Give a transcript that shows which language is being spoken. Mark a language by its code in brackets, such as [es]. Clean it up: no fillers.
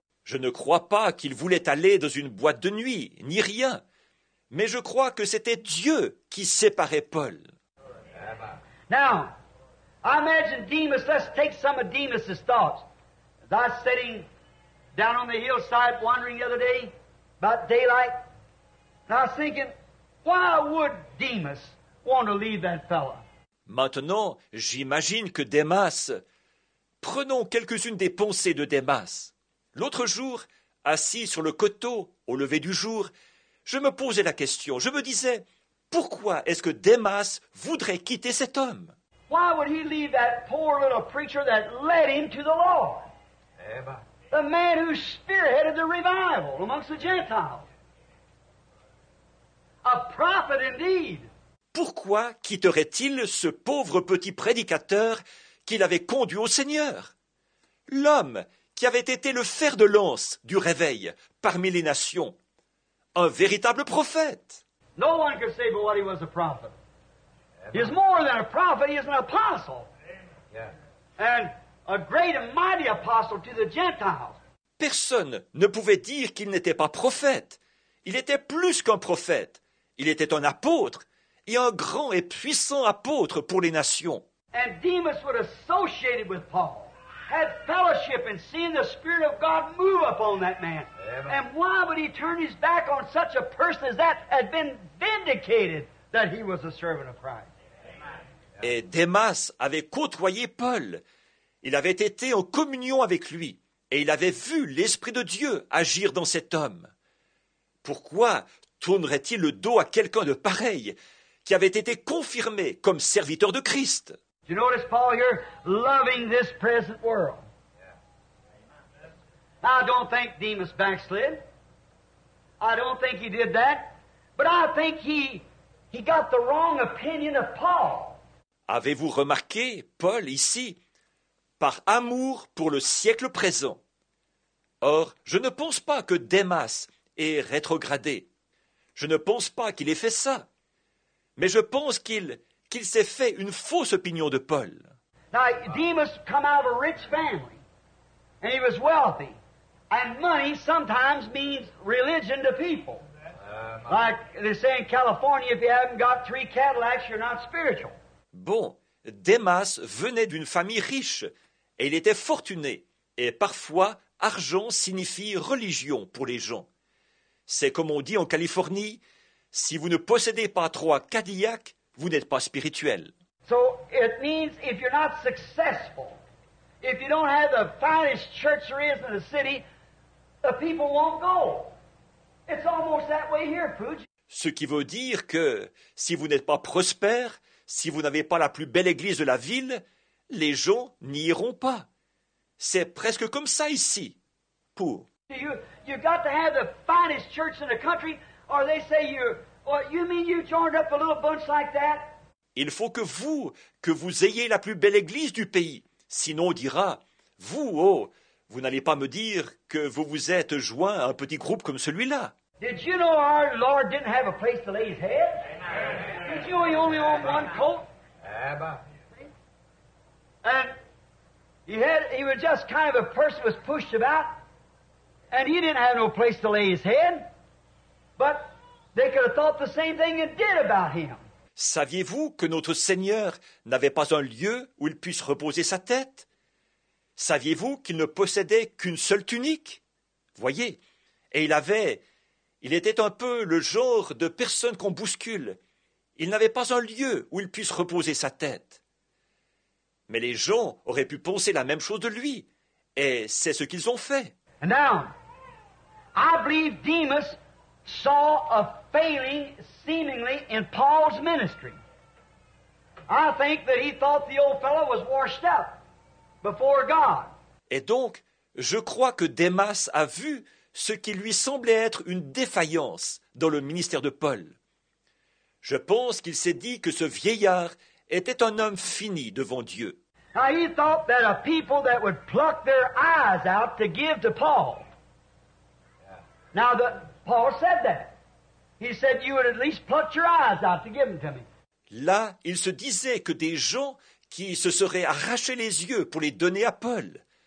[fr] Je ne crois pas qu'il voulait aller dans une boîte de nuit, ni rien. Mais je crois que c'était Dieu qui séparait Paul. [en] Now, I imagine Demas, let's take some of Demas's thoughts. Thus sitting down on the hillside wandering the other day, about daylight. And I was thinking, why would Demas want to leave that fellow? [fr] Maintenant, j'imagine que Demas... Prenons quelques-unes des pensées de Demas. L'autre jour, assis sur le coteau, au lever du jour, je me posais la question. Je me disais, pourquoi est-ce que Demas voudrait quitter cet homme? [en] Why would he leave that poor little preacher that led him to the Lord? The man who spearheaded the revival amongst the Gentiles. A prophet indeed. [fr] Pourquoi quitterait-il ce pauvre petit prédicateur qu'il avait conduit au Seigneur? L'homme qui avait été le fer de lance du réveil parmi les nations. Un véritable prophète. [en] No one could say but what he was a prophet. He is more than a prophet, he is an apostle. And a great and mighty apostle to the Gentiles. [fr] Personne ne pouvait dire qu'il n'était pas prophète. Il était plus qu'un prophète. Il était un apôtre. Et un grand et puissant apôtre pour les nations. [en] And Demas would have associated with Paul, had fellowship and seen the Spirit of God move upon that man. Amen. And why would he turn his back on such a person as that had been vindicated that he was a servant of Christ? [fr] Et Demas avait côtoyé Paul. Il avait été en communion avec lui et il avait vu l'Esprit de Dieu agir dans cet homme. Pourquoi tournerait-il le dos à quelqu'un de pareil qui avait été confirmé comme serviteur de Christ. [en] You notice Paul here loving this present world. I don't think Demas backslid. I don't think he did that. But I think he got the wrong opinion of Paul. [fr] Avez-vous remarqué, Paul, ici, par amour pour le siècle présent? Or, je ne pense pas que Demas ait rétrogradé. Je ne pense pas qu'il ait fait ça. Mais je pense qu'il s'est fait une fausse opinion de Paul. [en] Now, Demas come out of a rich family, and he was wealthy. And money sometimes means religion to people. Like they say in California, if you haven't got three Cadillacs, you're not spiritual. [fr] Bon, Demas venait d'une famille riche, et il était fortuné. Et parfois, argent signifie religion pour les gens. C'est comme on dit en Californie, si vous ne possédez pas trois Cadillacs, vous n'êtes pas spirituel. [en] So it means if you're not successful, if you don't have the finest church there is in the city, the people won't go. It's almost that way here, Pooch. [fr] Ce qui veut dire que si vous n'êtes pas prospère, si vous n'avez pas la plus belle église de la ville, les gens n'y iront pas. C'est presque comme ça ici, Pooch. [en] You've got to have the finest church in the country. Or they say you mean you joined up a little bunch like that? [fr] Il faut que vous ayez la plus belle église du pays. Sinon, on dira, vous, oh, vous n'allez pas me dire que vous vous êtes joint à un petit groupe comme celui-là. [en] Did you know our Lord didn't have a place to lay his head? Did you know he only owned one coat? Abba. And he was just kind of a person who was pushed about, and he didn't have no place to lay his head. But they could have thought the same thing and did about him. [fr] Saviez-vous que notre Seigneur n'avait pas un lieu où il puisse reposer sa tête? Saviez-vous qu'il ne possédait qu'une seule tunique? Voyez, et il était un peu le genre de personne qu'on bouscule. Il n'avait pas un lieu où il puisse reposer sa tête. Mais les gens auraient pu penser la même chose de lui, et c'est ce qu'ils ont fait. [en] And now, I believe Demas saw a failing, seemingly, in Paul's ministry. I think that he thought the old fellow was washed up before God. [fr] Et donc, je crois que Demas a vu ce qui lui semblait être une défaillance dans le ministère de Paul. Je pense qu'il s'est dit que ce vieillard était un homme fini devant Dieu. [en] Now he thought that a people that would pluck their eyes out to give to Paul. Now the Paul said that. He said you would at least pluck your eyes out to give them to me. [fr] Là, il se disait que des gens qui se seraient arrachés les yeux pour les donner à Paul.